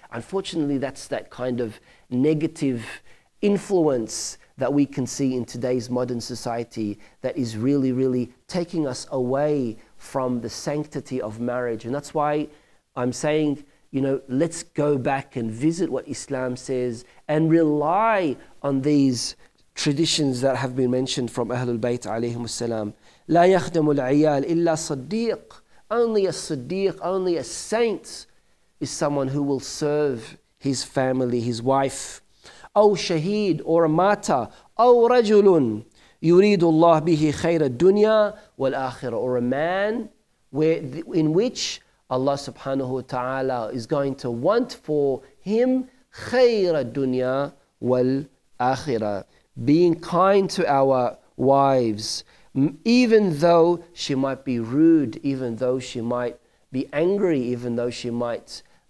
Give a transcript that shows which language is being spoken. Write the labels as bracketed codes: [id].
[en] Unfortunately, that's that kind of negative influence that we can see in today's modern society that is really, really taking us away from the sanctity of marriage. And that's why I'm saying, you know, let's go back and visit what Islam says and rely on these traditions that have been mentioned from Ahlul Bayt alayhim as-salam. [ar] لا يخدم العيال إلا صديق. [en] Only a saint is someone who will serve his family, his wife. [ar] أو شهيد [en] or a martyr, [ar] أو رجل يريد الله به خير الدنيا والآخرة, [en] or a man in which Allah subhanahu wa ta'ala is going to want for him [ar] خير الدنيا والآخرة, [en] being kind to our wives, even though she might be rude, even though she might be angry, even though she might